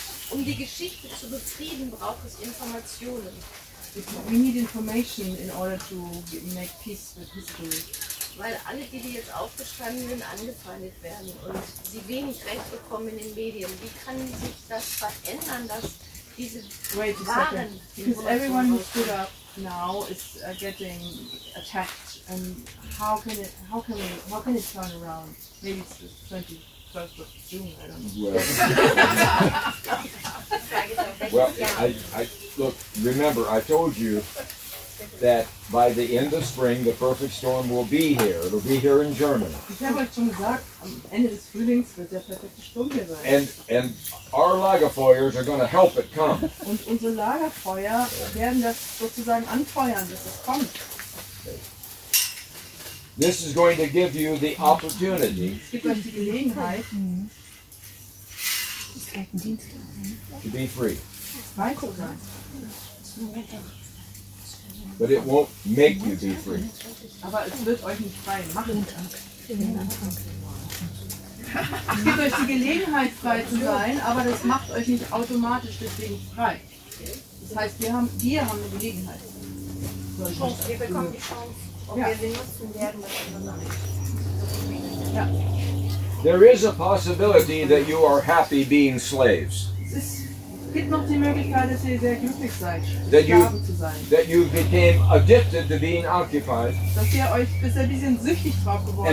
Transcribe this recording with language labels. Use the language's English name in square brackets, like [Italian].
[German] Um die Geschichte zu betreiben, braucht es Informationen. [English] We need information in order to make peace with history. [German] Weil alle, die jetzt aufgestanden sind, angefeindet werden und sie wenig Recht bekommen in den Medien. Wie kann sich das verändern, dass diese [English] Wait a [German] wahren [English] second. Because everyone who stood up now is getting attacked. And how can it turn around? Maybe it's the 21st of June, I don't know. Look, remember, I told you that by the end of spring, the perfect storm will be here. It'll be here in Germany. [German] Ich habe euch schon gesagt, am Ende des Frühlings wird der perfekte Sturm hier sein. [English] And our Lagerfeuers are going to help it come. [German] Und unsere Lagerfeuer werden das sozusagen anfeuern, dass es kommt. [English] This is going to give you the opportunity. [German] Es gibt euch die Gelegenheit, [English] to be free. [German] Weiterkommen. [English] But it won't make you be free. [German] Aber es wird euch nicht frei machen. Es gibt euch die Gelegenheit, frei zu sein, aber das macht euch nicht automatisch deswegen frei. Das heißt, wir haben eine Gelegenheit. Wir bekommen die Chance, ob wir sie nutzen werden. Ja. [English] There is a possibility that you are happy being slaves. [German] Es gibt noch die Möglichkeit, dass ihr sehr glücklich seid, [English] that you became addicted to being occupied. [German] Dass ihr euch bis ein bisschen süchtig drauf geworden.